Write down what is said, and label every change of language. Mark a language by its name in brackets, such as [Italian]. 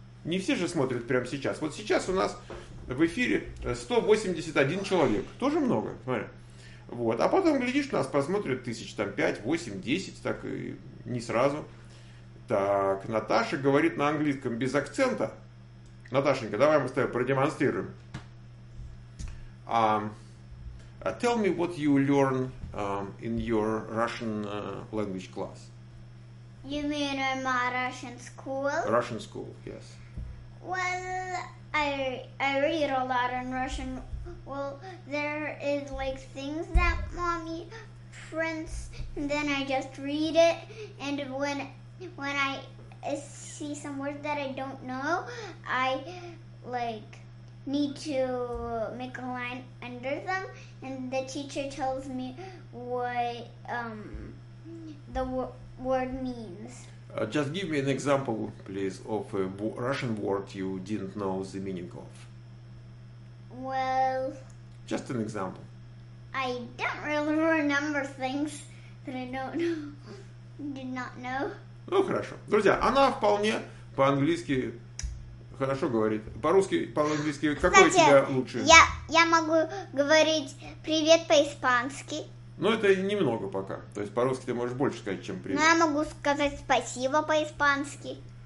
[Russian] Не все же смотрят прямо сейчас. Вот сейчас у нас в эфире 181 человек. Тоже много. Смотри. Вот. А потом, глядишь, нас посмотрят тысяч там 5, 8, 10. Так и не сразу. Так. Наташа говорит на английском без акцента. Наташенька, давай мы с тобой продемонстрируем. [English] Tell me what you learn in your Russian language class. You mean in my Russian school? Russian school, yes. Well, I read a lot in Russian. Well, there is like things that mommy prints, and then I just read it. And when when I see some words that I don't know, I like need to make a line under them, and the teacher tells me what the word means. Just give me an example, please, of a Russian word you didn't know the meaning of. Well, just an example. I don't really remember things that I don't know. Did not know. [Russian] Ну, хорошо. Друзья, она вполне по-английски хорошо говорит. По-русски, по-английски. Кстати, какой у тебя лучше? Я могу говорить привет по-испански. Ну, это немного пока. То есть по-русски ты можешь больше сказать, чем привет. Ну, я могу сказать спасибо по-испански.